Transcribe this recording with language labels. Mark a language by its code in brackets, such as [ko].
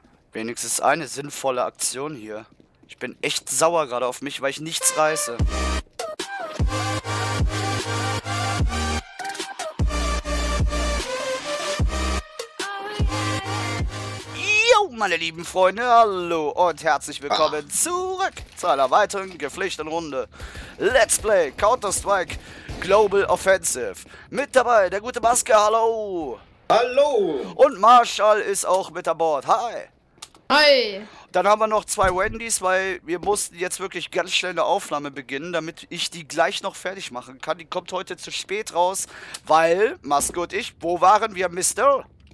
[de] Wenigstens eine sinnvolle Aktion hier. Ich bin echt sauer gerade auf mich, weil ich nichts reiße. Meine lieben Freunde, hallo und herzlich willkommen zurück zu einer weiteren Gepflichtenrunde. [en] Let's play Counter-Strike Global Offensive. [de] Mit dabei der gute Maske, hallo. Hallo. Und Marshall ist auch mit an Bord. [en] Hi. Hi. [de] Dann haben wir noch zwei Wendys, weil wir mussten jetzt wirklich ganz schnell eine Aufnahme beginnen, damit ich die gleich noch fertig machen kann. Die kommt heute zu spät raus, weil Maske und ich, wo waren wir, Mister?